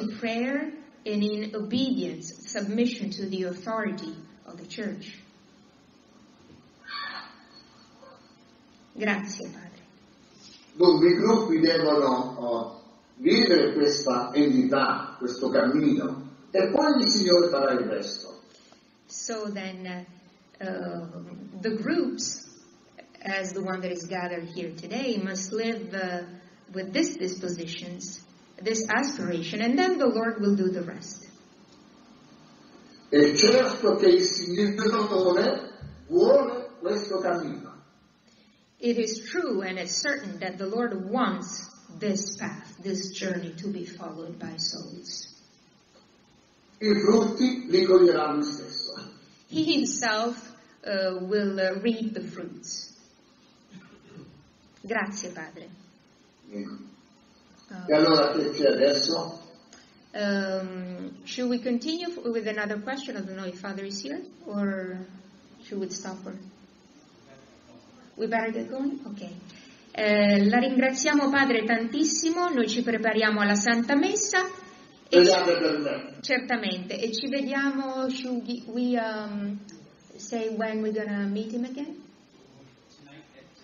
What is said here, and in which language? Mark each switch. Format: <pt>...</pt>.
<en>In prayer and in obedience, submission to the authority of the Church.</en> <it>Grazie, Padre. Dunque, i gruppi devono vivere questa entità, questo cammino, e poi il Signore farà il resto.</it> <en>So then, the groups, as the one that is gathered here today, must live with this dispositions, this aspiration, and then the Lord will do the rest.</en> <it>È certo che il Signore vuole questo cammino.</it> <en>It is true and it's certain that the Lord wants this path, this journey to be followed by souls.</en> <it>I frutti li coglieranno stesso.</it> <en>He himself will reap the fruits.</en> <it>Grazie, Padre. E allora che c'è adesso?</it> <en>Should we continue with another question? I don't know if Father is here, or should we stop? We better get going? Okay.</en> <it>La ringraziamo Padre tantissimo, noi ci prepariamo alla Santa Messa. E ci, per me. Certamente, e ci vediamo,</it> <en>should we say when we're going to meet him again? Tonight at</en>